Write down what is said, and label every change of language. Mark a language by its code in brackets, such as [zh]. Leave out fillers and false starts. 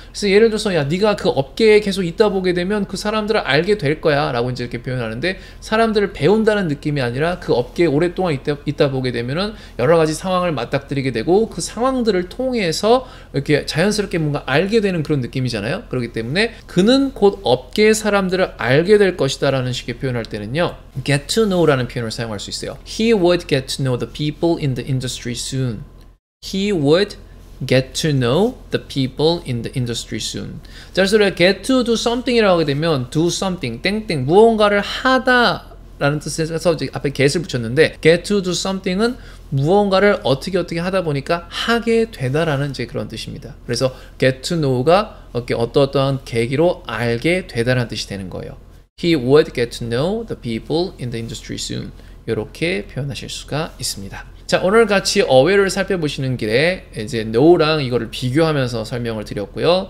[ko] 그래서 예를 들어서, 야, 네가 그 업계에 계속 있다 보게 되면 그 사람들을 알게 될 거야 라고 이제 이렇게 표현하는데, 사람들을 배운다는 느낌이 아니라 그 업계에 오랫동안 있다 보게 되면은 여러 가지 상황을 맞닥뜨리게 되고, 그 상황들을 통해서 이렇게 자연스럽게 뭔가 알게 되는 그런 느낌이잖아요. 그렇기 때문에 그는 곧 업계의 사람들을 알게 될 것이다 라는 식의 표현할 때는요, get to know 라는 표현을 사용할 수 있어요. [en] He would get to know the people in the industry soon. He would get to know the people in the industry soon. [ko] 자, 그래서 [en] get to do something [ko] 이라고 하게 되면 do something, 땡땡, 무언가를 하다라는 뜻에서 이제 앞에 get을 붙였는데, get to do something은 무언가를 어떻게 하다 보니까 하게 되다라는 이제 그런 뜻입니다. 그래서 get to know가 어떠한 계기로 알게 되다라는 뜻이 되는 거예요. [en] He would get to know the people in the industry soon. [ko] 이렇게 표현하실 수가 있습니다. 자, 오늘 같이 어휘를 살펴보시는 길에 이제 know랑 이거를 비교하면서 설명을 드렸고요.